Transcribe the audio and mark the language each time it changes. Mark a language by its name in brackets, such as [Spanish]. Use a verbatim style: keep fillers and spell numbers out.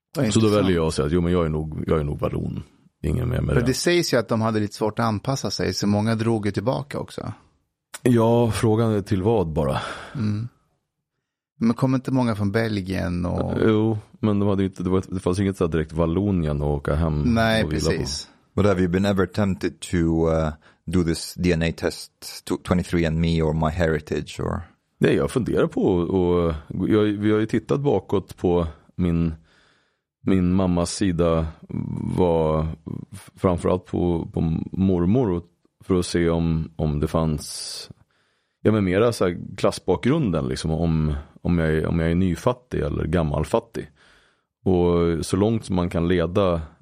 [Swedish] Så då väljer jag att säga att jo, men jag är nog, jag är nog vallon. Ingen mer med för det. Det sägs ju att de hade lite svårt att anpassa sig, så många drog ju tillbaka också. Ja, frågan är till vad bara. Mm. Men kom inte många från Belgien? Och... Jo, men de hade inte, det, var, det fanns inget så direkt Vallonien att åka hem. Nej, och precis. [English] But have you been ever tempted to uh, do this D N A test to twenty-three and me or my heritage? Or... [Swedish] Nej, jag funderar på, och jag, vi har ju tittat bakåt på min... Min mammas sida var framförallt på, på mormor för att se om, om det fanns ja, men mera så här klassbakgrunden liksom, om, om, jag, om jag är nyfattig eller gammalfattig. Och så långt som man kan leda